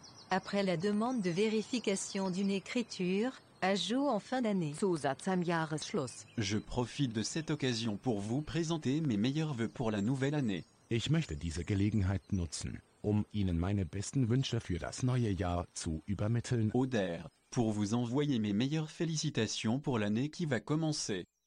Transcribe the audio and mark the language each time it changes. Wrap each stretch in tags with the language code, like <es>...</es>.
<fr>Après la demande de vérification d'une écriture, à jour en fin d'année.</fr> <de>Zusatz am Jahresschluss.</de> <fr>Je profite de cette occasion pour vous présenter mes meilleurs vœux pour la nouvelle année.</fr> <de>Ich möchte diese Gelegenheit nutzen, um Ihnen meine besten Wünsche für das neue Jahr zu übermitteln. Oder,</de> <fr>pour vous envoyer mes meilleures félicitations pour l'année qui va commencer.</fr>